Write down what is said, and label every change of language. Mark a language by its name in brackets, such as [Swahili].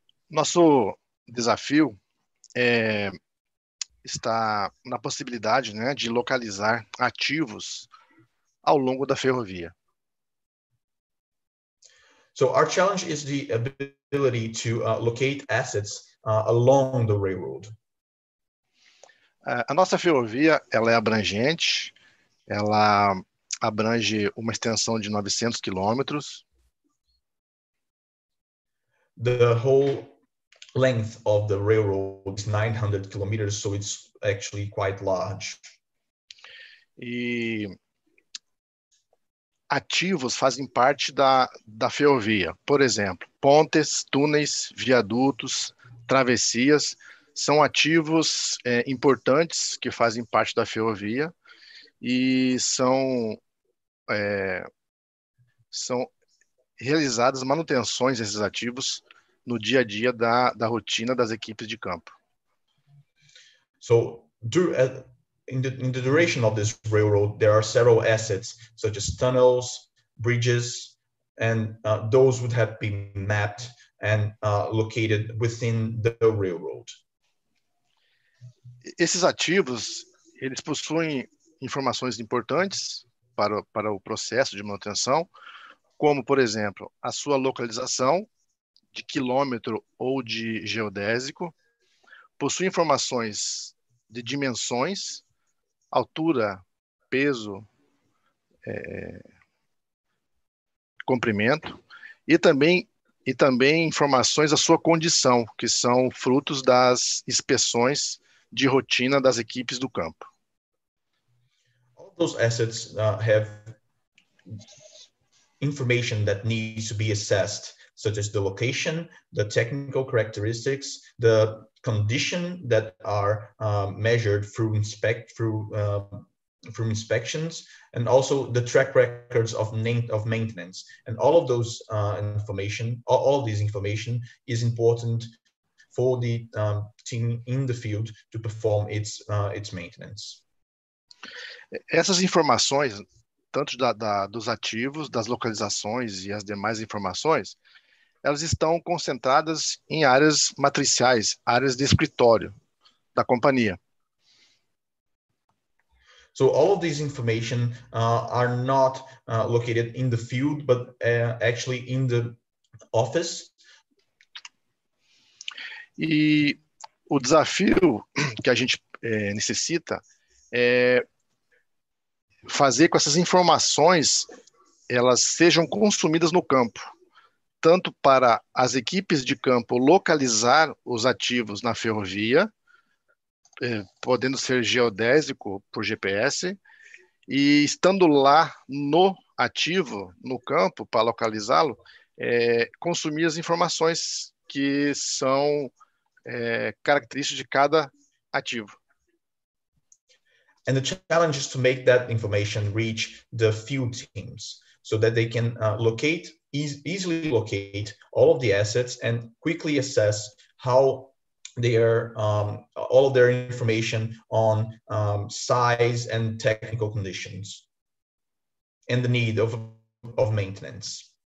[Portuguese] Nosso desafio está na possibilidade, né, de localizar ativos ao longo da ferrovia. [English] So our challenge is the ability to locate assets along the railroad. [Portuguese] A nossa ferrovia, ela é abrangente, ela abrange uma extensão de 900 quilômetros. [English] The whole length of the railroad is 900 kilometers, so it's actually quite large. [Portuguese] E ativos fazem parte da ferrovia. Por exemplo, pontes, túneis, viadutos, travessias são ativos importantes que fazem parte da ferrovia e são realizadas manutenções desses ativos no dia a dia da rotina das equipes de campo. [English] So, in the duration of this railroad, there are several assets, such as tunnels, bridges, and those would have been mapped and located within the railroad. [Portuguese] Esses ativos, eles possuem informações importantes para o processo de manutenção, como, por exemplo, a sua localização de quilômetro ou de geodésico, possui informações de dimensões, altura, peso, comprimento, e também informações da sua condição, que são frutos das inspeções de rotina das equipes do campo. [English] All those assets have information that needs to be assessed, such as the location, the technical characteristics, the condition that are measured through inspections, and also the track records of maintenance. And all of those information, all of this information is important for the team in the field to perform its maintenance. [Portuguese] Essas informações, tanto dos ativos, das localizações e as demais informações, elas estão concentradas em áreas matriciais, áreas de escritório da companhia. [English] So all of this information are not located in the field, but actually in the office. [Portuguese] E o desafio que a gente necessita é fazer com que essas informações elas sejam consumidas no campo, tanto para as equipes de campo localizar os ativos na ferrovia, podendo ser geodésico por GPS, e estando lá no ativo, no campo, para localizá-lo, consumir as informações que são características de cada ativo. [English] And the challenge is to make that information reach the field teams, so that they can easily locate all of the assets and quickly assess how their all of their information on size and technical conditions and the need of maintenance.